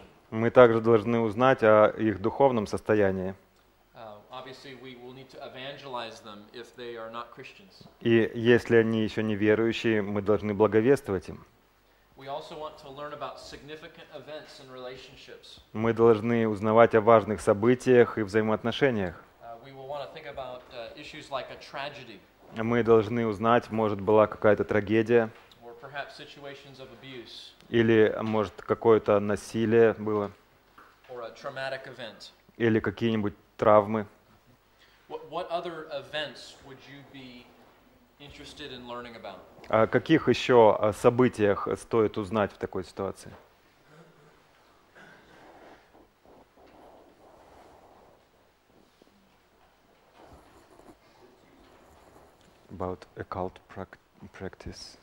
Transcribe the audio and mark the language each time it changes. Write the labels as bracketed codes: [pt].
[ru] Мы также должны узнать о их духовном состоянии. [en] Obviously, we will need to evangelize them if they are not Christians. [ru] И если они еще не верующие, мы должны благовествовать им. [en] We also want to learn about significant events and relationships. [ru] Мы должны узнавать о важных событиях и взаимоотношениях. [en] We will want to think about issues like a tragedy. [ru] Мы должны узнать, может, была какая-то трагедия. [en] Or perhaps situations of abuse. [ru] Или, может, какое-то насилие было. [en] Or a traumatic event. [ru] Или какие-нибудь травмы. [en] What other events would you be interested in learning about? [ru] О каких еще событиях стоит узнать в такой ситуации? [en] About occult practice.